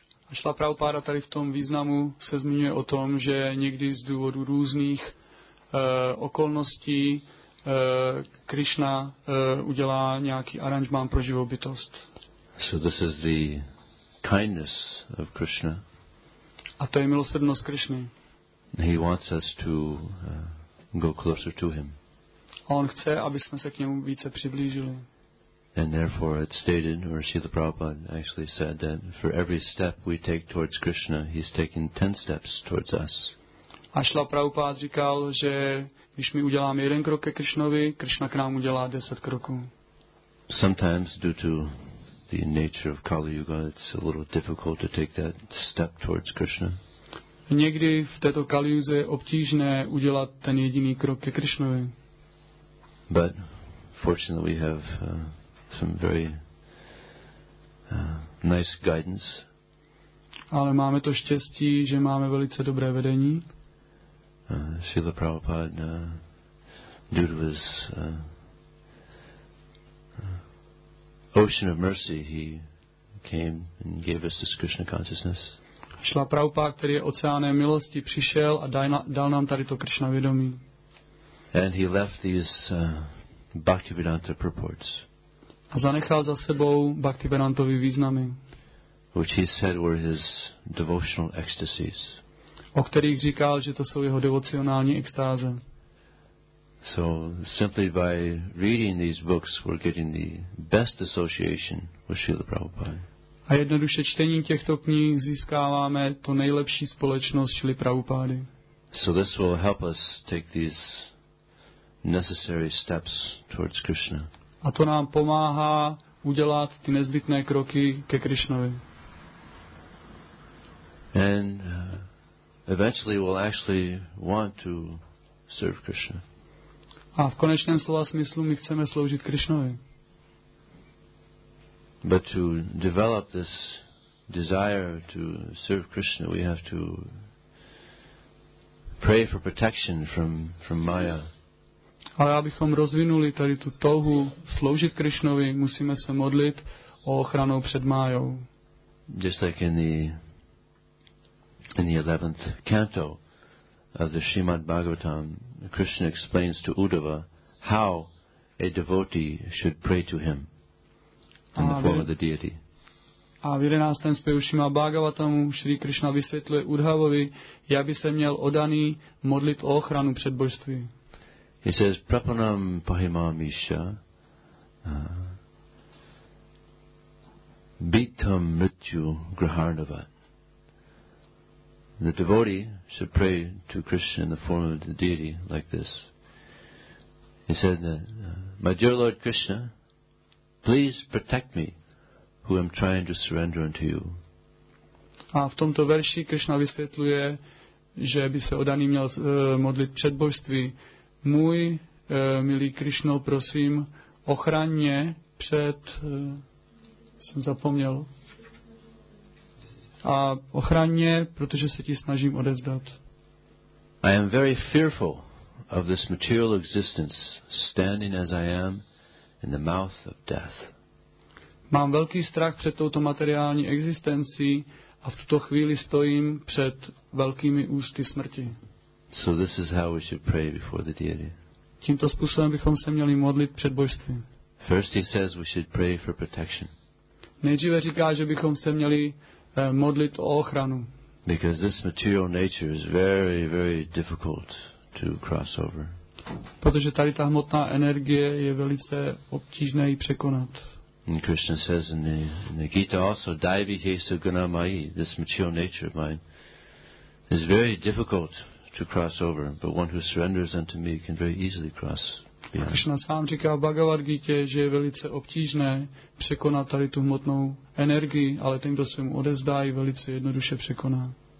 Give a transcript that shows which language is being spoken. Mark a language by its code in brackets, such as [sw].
[cs] A Šla Prabhupada tady v tom významu se zmiňuje o tom, že někdy z důvodu různých okolností Krishna udělá nějaký aranžmán pro živou bytost. [en] So this is the kindness of Krishna. [cs] A to je milosrdnost Krishny. [en] He wants us to go closer to him. [cs] On chce, aby jsme se k němu více přiblížili. [en] And therefore it's stated, or Srila Prabhupada actually said, that for every step we take towards Krishna, he's taking 10 steps towards us. [cs] A Srila Prabhupada říkal, že když my uděláme jeden krok ke Krishnovi, Krishna k nám udělá 10 kroků. [en] Sometimes due to the nature of Kali Yuga, it's a little difficult to take that step towards Krishna. [cs] Někdy v této kaliuze je obtížné udělat ten jediný krok ke Krishnovi. [en] But fortunately we have some very nice guidance. [cs] Ale máme to štěstí, že máme velice dobré vedení. [en] Srila Prabhupada, due to his ocean of mercy, he came and gave us this Krishna consciousness. [cs] Šla Prabhupada, který je oceánem milosti, přišel a dal nám tady to Krishna vědomí. [en] And he left these Bhaktivedanta purports. [cs] A zanechal za sebou Bhaktivedantovy významy. [en] Which he said were his devotional ecstasies. [cs] O kterých říkal, že to jsou jeho devocionální extáze. [en] So simply by reading these books we're getting the best association with Srila Prabhupada. [cs] A jednoduše čtením těchto knih získáváme to nejlepší společnost, čili Prabhupády. [en] So this will help us take these necessary steps towards Krishna. [cs] A to nám pomáhá udělat ty nezbytné kroky ke Krishnovi. [en] And eventually we'll actually want to serve Krishna. [cs] A v konečném slova smyslu my chceme sloužit Krishnovi. [en] But to develop this desire to serve Krishna, we have to pray for protection from Maya. [cs] Ale abychom rozvinuli tady tu touhu sloužit Krishnovi, musíme se modlit o ochranu před Mayou. [en] Just like in the 11th canto of the Srimad Bhagavatam, Krishna explains to Uddhava how a devotee should pray to him. In the form of the deity. [cs] A v 11. zpěvu Šrimad Bhagavatamu Šri Krishna vysvětluje Udhavovi, jak by se měl odaný modlit o ochranu před božství. [en] He says, [sa] prapanam pahimam isha, bitam mrityu graharnavat. [en] The devotee should pray to Krishna in the form of the deity like this. He said that, my dear Lord Krishna, please protect me, who am trying to surrender unto you. [cs] A v tomto verši Krishna vysvětluje, že by se odaný měl modlit před božství. Můj milý Krishno, prosím, ochraň mě před... jsem zapomněl. A ochraň mě, protože se ti snažím odevzdat. [en] I am very fearful of this material existence, standing as I am in the mouth of death. [cs] Mám velký strach před touto materiální existencí a v tuto chvíli stojím před velkými ústy smrti. [en] So this is how we should pray before the deity. [cs] Tímto způsobem bychom se měli modlit před božstvím. [en] First he says we should pray for protection. [cs] Nejdříve říká, že bychom se měli modlit o ochranu. [en] Because this material nature is very, very difficult to cross over. [cs] Protože tady ta hmotná energie je velice obtížné ji překonat. [en] And Krishna says in the Gita also, [sa] Daivihesu Gunamai, [en] this material nature of mine, is very difficult to cross over, but one who surrenders unto me can very easily cross beyond. [cs] Krishna sám říká v Bhagavad Gita, že je velice obtížné překonat tady tu hmotnou energii, ale ten, kdo se mu odezdá, ji velice jednoduše překoná.